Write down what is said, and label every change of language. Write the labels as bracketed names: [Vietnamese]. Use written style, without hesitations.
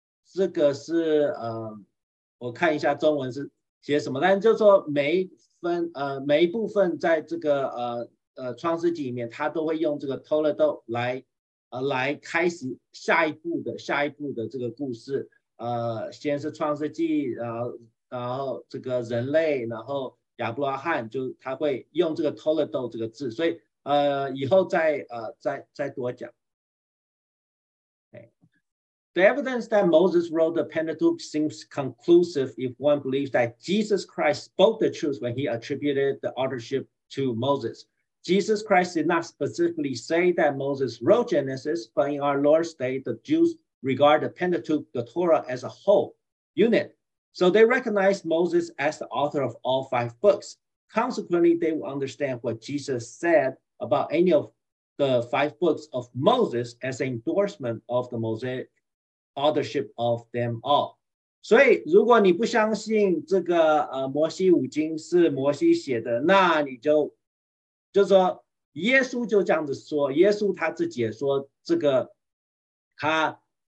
[Chinese] 这个是我看一下中文是写什么，但就是说每一部分在这个创世纪里面，他都会用这个 Toledot 来开始下一步的这个故事。先是创世纪，然后这个人类，然后亚伯拉罕，就他会用这个 Toledot 这个字，所以以后再多讲。 [English] The evidence that Moses wrote the Pentateuch seems conclusive if one believes that Jesus Christ spoke the truth when he attributed the authorship to Moses. Jesus Christ did not specifically say that Moses wrote Genesis, but in our Lord's day, the Jews regard the Pentateuch, the Torah, as a whole unit. So they recognize Moses as the author of all five books. Consequently, they will understand what Jesus said about any of the five books of Moses as an endorsement of the Mosaic authorship of them all. [Chinese] 所以如果你不相信这个摩西五经是摩西写的，那你就说耶稣就这样子说，耶稣他自己也说这个他